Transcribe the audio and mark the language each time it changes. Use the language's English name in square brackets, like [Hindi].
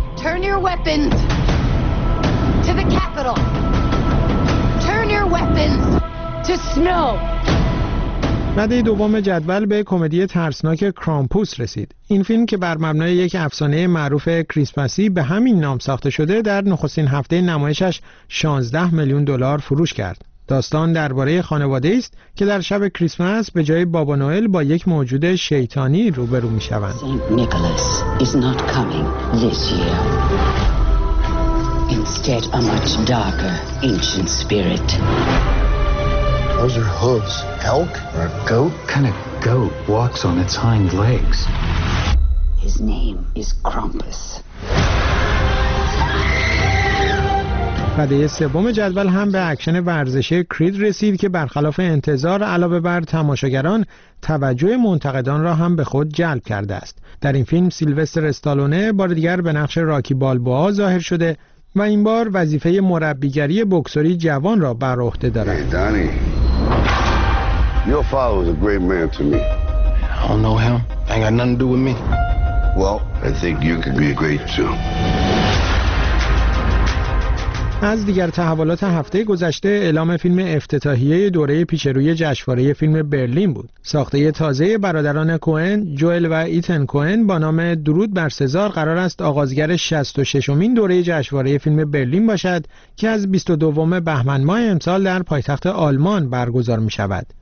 [English] Turn your weapons to the Capitol. Turn your weapons to snow. [Persian] رده دوم جدول به کمدی ترسناک کرامپوس رسید. این فیلم که بر مبنای یک افسانه معروف کریسمسی به همین نام ساخته شده، در نخستین هفته نمایشش 16 میلیون دلار فروش کرد. داستان درباره خانواده‌ای است که در شب کریسمس به جای بابا نوئل با یک موجود شیطانی روبرو می‌شوند. [English] Saint Nicholas is not coming this year. Instead a much darker ancient spirit. Those are hooves. Elk or a goat? What kind of goat walks on its hind legs? His name is Krampus. [Persian] رده سوم جدول هم به اکشن ورزشی کرید رسید که برخلاف انتظار علاوه بر تماشاگران، توجه منتقدان را هم به خود جلب کرده است. در این فیلم سیلوستر استالونه بار دیگر به نقش راکی بالبوا ظاهر شده و این بار وظیفه مربیگری بکسوری جوان را بر عهده دارد. [English] Danny, your father was a great man to me. I don't know him. I ain't got nothing to do with me. Well, I think you could be great too. [Persian] از دیگر تحولات هفته گذشته، اعلام فیلم افتتاحیه دوره پیشروی جشنواره فیلم برلین بود. ساخته تازه برادران کوئن، جوئل و ایتن کوئن با نام درود بر سزار قرار است آغازگر 66مین دوره جشنواره فیلم برلین باشد که از 22 بهمن ماه امسال در پایتخت آلمان برگزار می‌شود.